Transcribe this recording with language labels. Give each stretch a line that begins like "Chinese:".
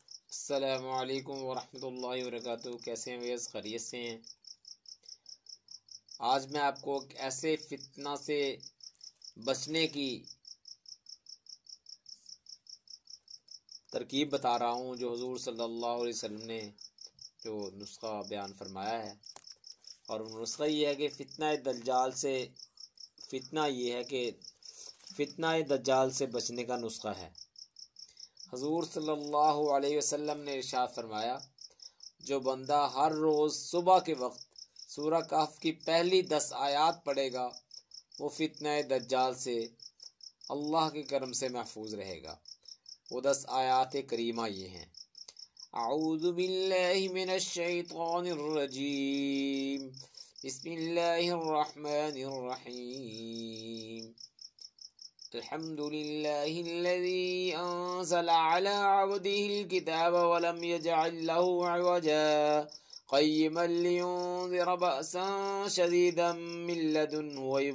Arabic: السلام عليكم ورحمة الله وبركاته.
Urdu: كيسے ہیں بھائی؟ خیریت سے ہیں؟ آج میں آپ کو ایسے فتنہ سے بچنے کی ترکیب بتا رہا ہوں جو حضور صلی اللہ علیہ وسلم نے جو نسخہ بیان فرمایا ہے، اور نسخہ یہ ہے کہ فتنہ دجال سے، فتنہ یہ ہے کہ فتنہ دجال سے بچنے کا نسخہ ہے. حضور صلی اللہ علیہ وسلم نے ارشاد فرمایا، جو بندہ ہر روز صبح کے وقت سورہ کہف کی پہلی 10 آیات پڑھے گا وہ فتنہ دجال سے اللہ کے کرم سے محفوظ رہے گا. وہ 10 آیات کریمہ یہ ہیں:
Arabic: اعوذ باللہ من الشیطان الرجیم، بسم اللہ الرحمن الرحیم، الحمد لله الذي أنزل على عبده الكتاب ولم يجعل له عوجا قيما لينذر بأسا شديدا من لدنه